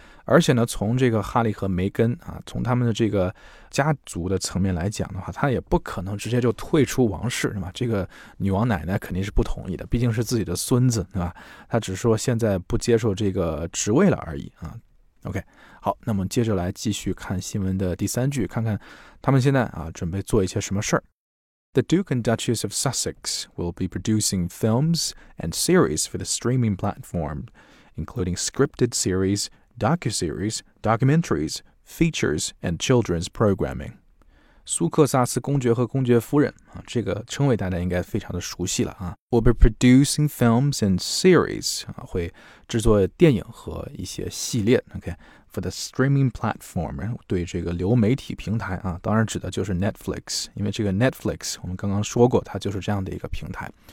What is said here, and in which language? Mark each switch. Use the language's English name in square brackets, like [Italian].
[Chinese] 而且呢从这个哈利和梅根从他们的这个家族的层面来讲的话他也不可能直接就退出王室对吧这个女王奶奶肯定是不同意的毕竟是自己的孙子对吧他只是说现在不接受这个职位了而已。 OK, 好那么接着来继续看新闻的第三句看看他们现在准备做一些什么事儿。 [English] The Duke and Duchess of Sussex will be producing films and series for the streaming platform, including scripted series, docuseries, documentaries, features, and children's programming. [Chinese] 苏克萨斯公爵和公爵夫人这个称谓大家应该非常的熟悉了 [English] will be producing films and series, [Chinese] 会制作电影和一些系列 okay, [English] for the streaming platform, [Chinese] 对这个流媒体平台当然指的就是 Netflix, 因为这个 Netflix, 我们刚刚说过它就是这样的一个平台。